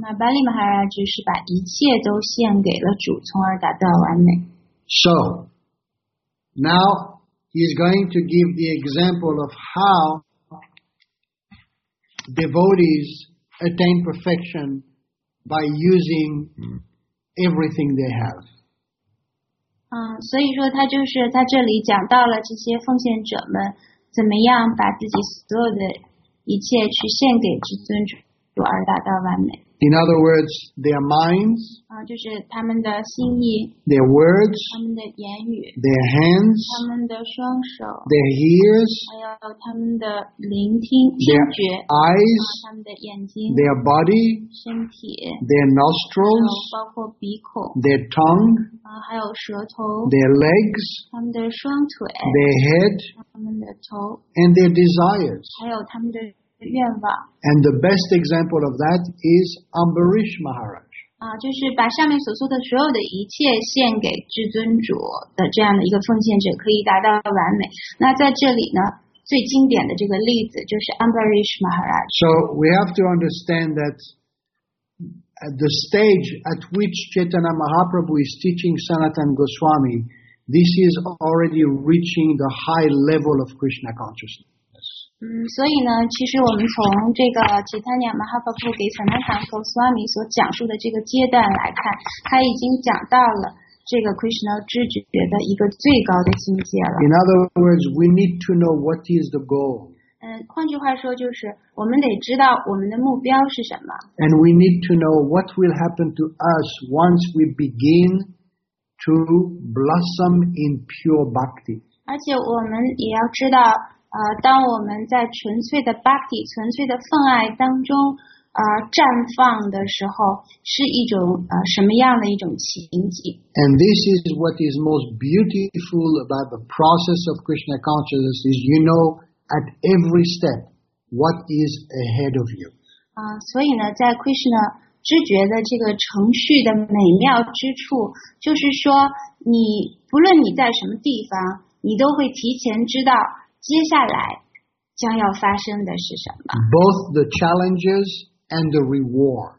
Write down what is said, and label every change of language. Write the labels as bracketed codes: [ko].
[zh] 那 Bali Maharaj 是把一切都献给了主，从而达到完美。 [en] So, now he is going to give the example of how devotees attain perfection by using everything they have. [zh] 所以说他就是在这里讲到了这些奉献者们怎么样把自己所有的一切去献给至尊主而达到完美。 [en] In other words, their minds, [zh] 就是他们的心意。 [en] Their words, [zh] 他们的言语。 [en] Their hands, [zh] 他们的双手。 [en] Their ears, [zh] 还有他们的聆听听觉。 [en] Their eyes, [zh] 他们的眼睛。 [en] Their body, [zh] 身体。 [en] Their nostrils, [zh] 包括鼻孔。 [en] Their tongue, [zh] 还有舌头。 [en] Their legs, [zh] 他们的双腿。 [en] Their head, [zh] 他们的头。 [en] And their desires, [zh] 还有他们的愿望。 [en] And the best example of that is Ambarish Maharaj. [zh] 就是把上面所说的所有的一切献给至尊主的这样的一个奉献者可以达到完美。那在这里呢，最经典的这个例子就是 Ambarish Maharaj. [en] So we have to understand that at the stage at which Chaitanya Mahaprabhu is teaching Sanatana Goswami, This is already reaching the high level of Krishna consciousness. [zh] 所以呢，其实我们从这个吉檀尼亚马哈巴布给桑达坦和苏阿米所讲述的这个阶段来看，他已经讲到了这个 Krishna 知觉的一个最高的境界了。 [en] In other words, we need to know what is the goal. [zh] 换句话说就是我们得知道我们的目标是什么。 [en] And we need to know what will happen to us once we begin to blossom in pure bhakti. [zh] 而且我们也要知道当我们在纯粹的 bhakti 纯粹的奉爱当中绽放的时候是一种什么样的一种情景。 [en] And this is what is most beautiful about the process of Krishna consciousness is you know at every step what is ahead of you. [zh] 所以呢在 Krishna 知觉的这个程序的美妙之处就是说你不论你在什么地方你都会提前知道接下来将要发生的是什么 [en] ？Both the challenges and the reward.